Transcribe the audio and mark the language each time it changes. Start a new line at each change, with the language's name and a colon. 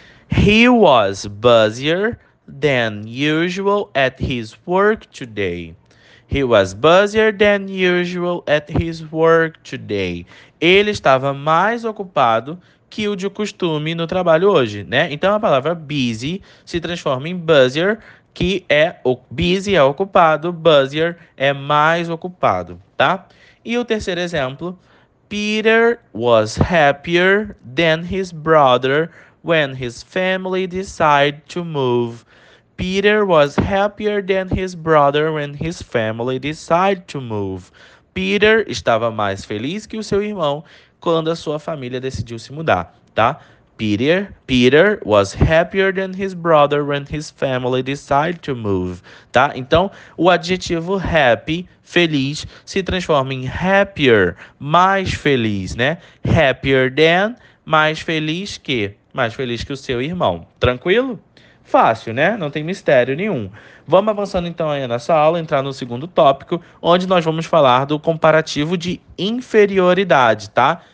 English: He was busier than usual at his work today. He was busier than usual at his work today.
Portuguese: Ele estava mais ocupado que o de costume no trabalho hoje, né? Então a palavra busy se transforma em busier, que é o busy é ocupado, busier é mais ocupado, tá? E o terceiro exemplo,
English: Peter was happier than his brother when his family decided to move. Peter was happier than his brother when his family decided to move.
Portuguese: Peter estava mais feliz que o seu irmão quando a sua família decidiu se mudar, tá?
English: Peter was happier than his brother when his family decided to move, tá?
Portuguese: Então, o adjetivo happy, feliz, se transforma em happier, mais feliz, né?
English: Happier than,
Portuguese: mais feliz que. Mais feliz que o seu irmão. Tranquilo? Fácil, né? Não tem mistério nenhum. Vamos avançando então aí nessa aula, entrar no segundo tópico, onde nós vamos falar do comparativo de inferioridade, tá?